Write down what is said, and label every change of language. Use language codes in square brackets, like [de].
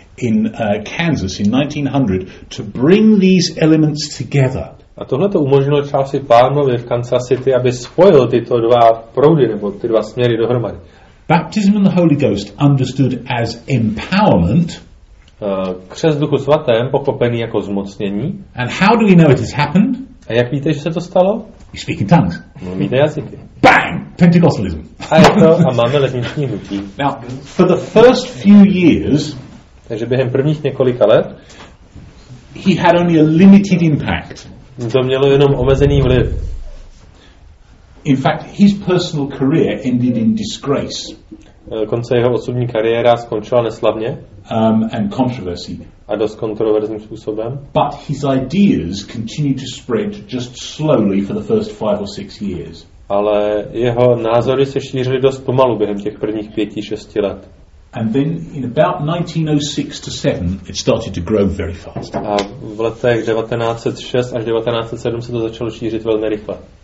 [en] in Kansas in 1900 to bring these elements together. [cs] A tohle to umožnilo Charlesi Palmerovi v Kansas City, aby spojil tyto dva proudy nebo ty dva směry dohromady. [en] Baptism in the Holy Ghost understood as empowerment. [cs] Křest Duchu Svatém pochopený jako zmocnění. [en] And how do we know it has happened? [cs] A jak víte, že se to stalo? [en] You speak in tongues. [cs] Mluvíte jazyky. [en] Bang! Pentecostalism. [cs] A je to, a máme letniční hnutí. [en] Now, for the first few years, [cs] takže během prvních několika let, [en] he had only a limited impact. [cs] To mělo jenom omezený vliv. [en] In fact, his personal career ended in disgrace. [cs] Konce jeho osobní kariéra skončila neslavně. [en] And controversy. [cs] A dost kontroverzním způsobem. [en] But his ideas continued to spread just slowly for the first 5 or 6 years. [cs] Ale jeho názory se šířily dost pomalu během těch prvních 5-6 let. [en] And then in about 1906 to 7 it started to grow very fast. [cs] A v letech 1906 až 1907 se to začalo šířit velmi rychle.